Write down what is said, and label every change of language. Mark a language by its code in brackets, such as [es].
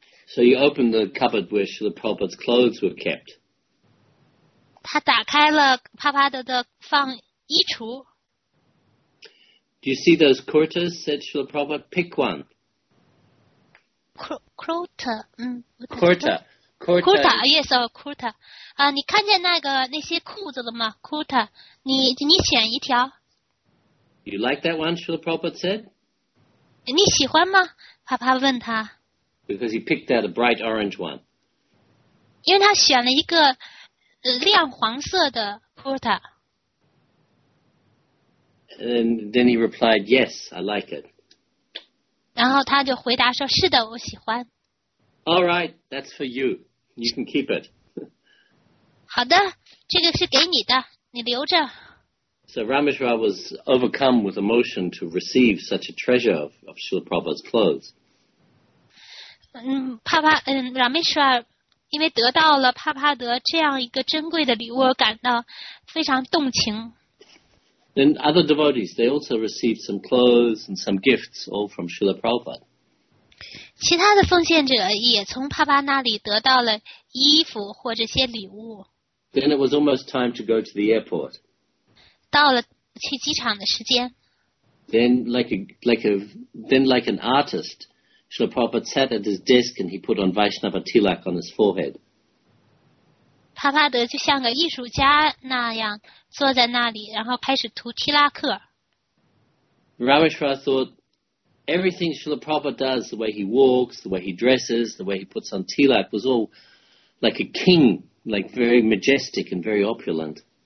[en] So he opened the cupboard where Srila Prabhupada's clothes were kept. [zh] 他打开了帕帕德的放衣橱。 [en] Do you see those quarters? Said Srila Prabhupada, pick one. Quarter. Quarter. Kurta, yes, Kurta. [zh] 啊，你看见那个那些裤子了吗 ？Kurta， 你选一条。 [en] You like that one? Srila Prabhupada said. [zh] 你喜欢吗？帕帕问他。 [en] Because he picked out a bright orange one. [zh] 因为他选了一个亮黄色的 Kurta。 [en] And then he replied, "Yes, I like it." [zh] 然后他就回答说：“是的，我喜欢。” [en] All right, that's for you. You can keep it. [zh] 好的，这个是给你的，你留着。 [en] So Rameshwar was overcome with emotion to receive such a treasure of Srila Prabhupada's clothes. [zh] Rameshwar 因为得到了帕帕德这样一个珍贵的礼物，感到非常动情。 [en] Then other devotees, they also received some clothes and some gifts, all from Srila Prabhupada. [zh] 其他的奉献者也从帕帕那里得到了衣服或这些礼物。 [en] Then it was almost time to go to the airport. [zh] 到了去机场的时间。 [en] Then like an artist, Srila Prabhupada sat at his desk and he put on Vaishnava tilak on his forehead. [zh] 帕帕德就像个艺术家那样坐在那里，然后开始涂提拉克。 [en] Rameshwar thought everything Srila Prabhupada does, the way he walks, the way he dresses, the way he puts on tilak, was all like a king, like very majestic and very opulent.